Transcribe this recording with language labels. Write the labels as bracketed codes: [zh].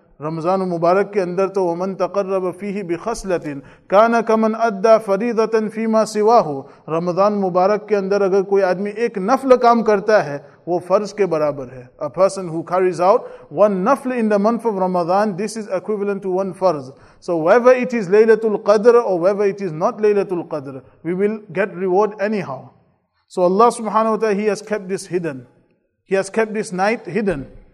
[ur] رمضان مبارک کے اندر تو [ar] ومن تقرب فيه بخصلة كان كمن ادى فريضة فيما سواه. [ur] رمضان مبارک کے اندر اگر کوئی آدمی ایک نفل کام کرتا ہے وہ فرض کے برابر ہے. [en] A person who carries out one nafl in the month of Ramadan, this is equivalent to one farz. So whether it is Laylatul Qadr or whether it is not Laylatul Qadr, we will get reward anyhow. So Allah subhanahu wa ta'ala, He has kept this hidden. He has kept this night hidden.